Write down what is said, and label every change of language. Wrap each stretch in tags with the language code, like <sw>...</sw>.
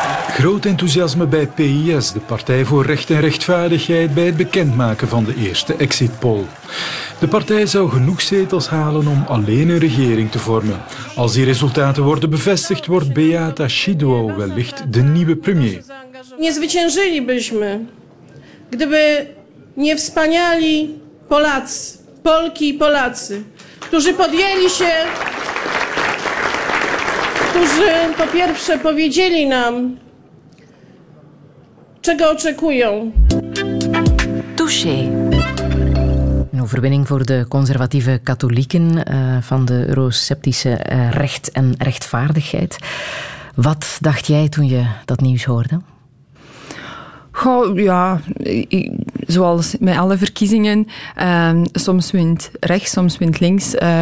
<nl>Groot enthousiasme bij PIS, de Partij voor Recht en Rechtvaardigheid, bij het bekendmaken van de eerste exit poll. De partij zou genoeg zetels halen om alleen een regering te vormen. Als die resultaten worden bevestigd, wordt Beata Szydło wellicht de nieuwe premier.</nl> <pl>Nie zwyciężylibyśmy, gdyby nie wspaniali Polacy, Polki i Polacy, którzy podjęli się, którzy po pierwsze powiedzieli nam, czego oczekują.</pl> <nl>Touché. Een overwinning voor de conservatieve katholieken van de euroceptische recht en rechtvaardigheid. Wat dacht jij toen je dat nieuws hoorde? Goh, ja, zoals met alle verkiezingen, soms wint rechts, soms wint links.</nl>